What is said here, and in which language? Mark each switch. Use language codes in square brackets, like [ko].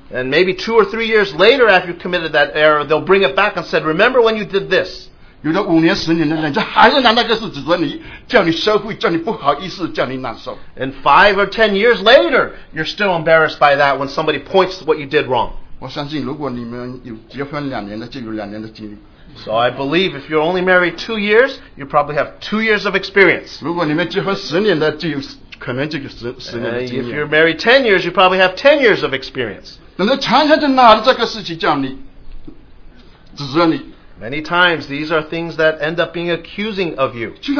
[en] And maybe 2 or 3 years later, after you committed that error, they'll bring it back and said, "Remember when you did this?" [zh] 有的五年十年了，人家还是拿那个事指责你，叫你羞愧，叫你不好意思，叫你难受。 [en] And 5 or 10 years later, you're still embarrassed by that when somebody points what you did wrong. [zh] 我相信，如果你们有结婚两年的，就有两年的经历。 [en] So I believe if you're only married 2 years, you probably have 2 years of experience. [zh] 如果你们结婚十年的，就有 [en] If you're married 10 years, you probably have 10 years of experience. Many times, these are things that end up being accusing of you.